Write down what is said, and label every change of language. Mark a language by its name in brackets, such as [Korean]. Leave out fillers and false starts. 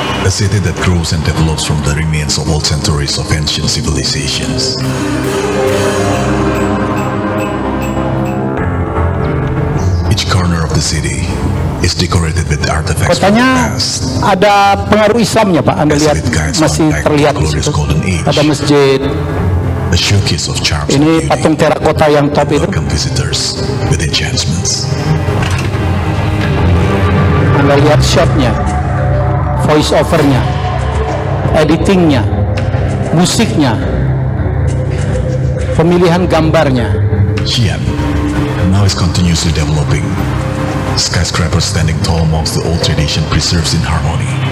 [English] A city that grows and develops from the remains of old centuries of ancient civilizations. Each corner of the city is decorated with artifacts. [Indonesian] Kotanya ada pengaruh Islamnya, Pak. Anda lihat masih terlihat di situ. Ada masjid. [English] A showcase of charms. [Indonesian] Ini patung terakota yang top itu. [English] Welcome visitors with enchantments. [Indonesian] Anda lihat shotnya. Voice overnya, editingnya, musiknya, pemilihan gambarnya. [English] Xi'an now is continuously developing. Skyscrapers standing tall amongst the old tradition preserves in harmony.